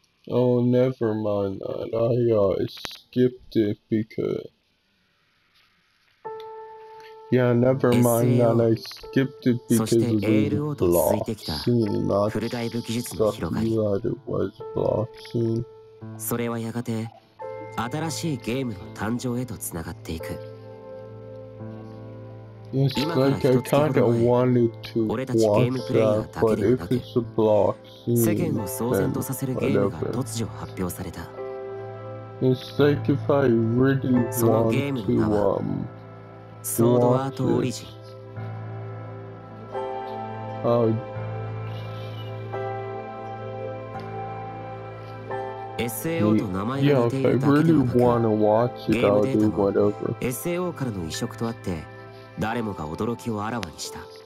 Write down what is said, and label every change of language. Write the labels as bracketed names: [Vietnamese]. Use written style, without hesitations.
[English] Oh, never mind that. I skipped it because... Yeah, never mind that. I skipped it because of the block scene, not stuff that it was block scene. [Japanese] それはやがて新しいゲームの誕生へとつながっていく。 [English] It's like I kind of wanted to watch that, but if it's a block scene, then whatever. It's like if I really want to, [Japanese] ソードアートオリジン。 SAO と名前が似ているだけでもなく、ゲームデータも SAO からの移植とあって、誰もが驚きをあらわにした。